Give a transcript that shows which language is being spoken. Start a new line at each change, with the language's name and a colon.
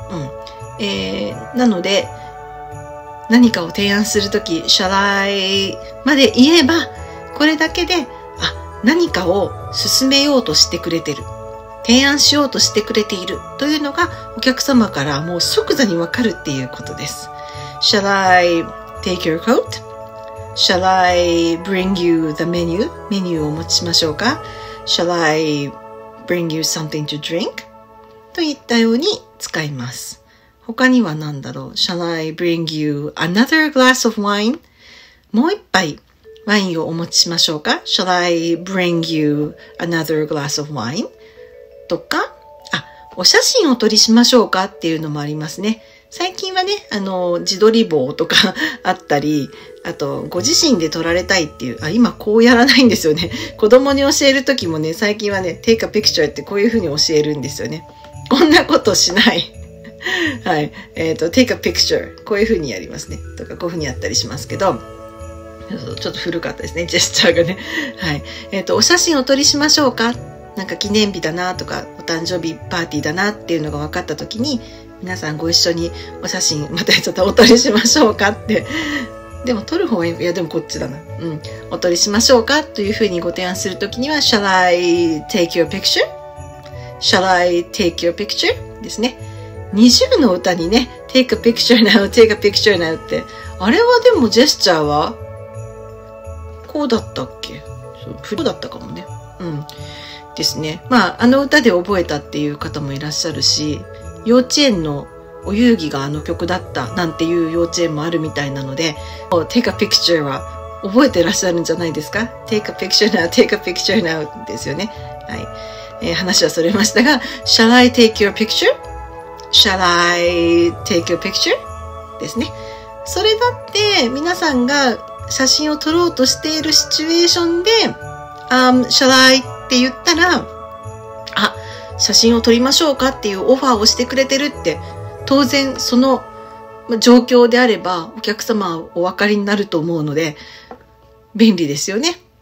Japanese: うん。なので何かを提案するとき
English: Shall I
Japanese: まで言えば、これだけで何かを進めようとしてくれてる、提案しようとしてくれているというのがお客様からもう即座にわかるっていうことです。
English: Shall I take your coat? Shall I bring you the menu?
Japanese: メニューをお持ちしましょうか?
English: Shall I bring you something to drink?
Japanese: といったように使います。他には何だろう。
English: Shall I bring you another glass of wine?
Japanese: もう一杯ワインをお持ちしましょうか?
English: Shall I bring you another glass of wine?
Japanese: とか、お写真を撮りしましょうかっていうのもありますね。最近はね、自撮り棒とかあったり、あと、ご自身で撮られたいっていう、今こうやらないんですよね。子供に教えるときもね、最近はね、
English: take a picture
Japanese: ってこういうふうに教えるんですよね。こんなことしない。はい。
English: take a picture.
Japanese: こういう風にやりますね。とか、こういう風にやったりしますけど、ちょっと古かったですね、ジェスチャーがね。はい。お写真を撮りしましょうか?なんか記念日だなとか、お誕生日パーティーだなっていうのが分かった時に、皆さんご一緒にお写真、またちょっとお撮りしましょうかって。でも撮る方がいい。いや、でもこっちだな。うん。お撮りしましょうかという風にご提案するときには、
English: Shall I take your picture?Shall I take your picture?
Japanese: ですね。二重の歌にね、
English: take a picture now,
Japanese: take a picture now って。あれはでもジェスチャーはこうだったっけ? そう、フルだったかもね。うん。ですね。まあ、あの歌で覚えたっていう方もいらっしゃるし、幼稚園のお遊戯があの曲だったなんていう幼稚園もあるみたいなので、
English: take a picture
Japanese: は覚えてらっしゃるんじゃないですか。
English: Take a picture now, take a picture now
Japanese: ですよね。はい、話はそれましたが、
English: Shall I take your picture? Shall I take your picture?
Japanese: ですね。それだって皆さんが写真を撮ろうとしているシチュエーションで、
English: Shall I
Japanese: って言ったら、あ、写真を撮りましょうかっていうオファーをしてくれてるって、当然その状況であればお客様はお分かりになると思うので便利ですよね。